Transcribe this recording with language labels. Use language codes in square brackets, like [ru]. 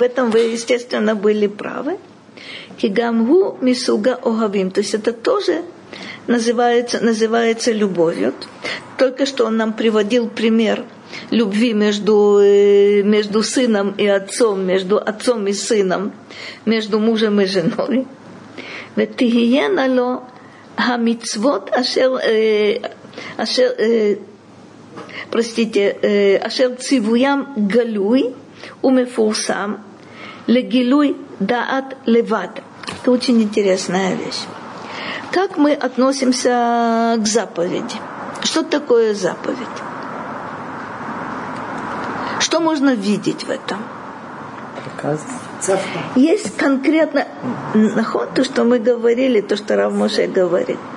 [ru] В этом вы, естественно, были правы. [he] Кигамгу мисуга огавим. [ru] То есть это тоже называется любовью. Только что он нам приводил пример любви между сыном и отцом, между отцом и сыном, между мужем и женой. [he] ותהיינה לו המצוות אשר ציוויים גלוי ומפורסם לגילוי דעת לבד. [ru] Это очень интересная вещь. Как мы относимся к заповеди? Что такое заповедь? Что можно видеть в этом? Приказ. Есть конкретно наход, то, что мы говорили, то, что Рав Моше говорит.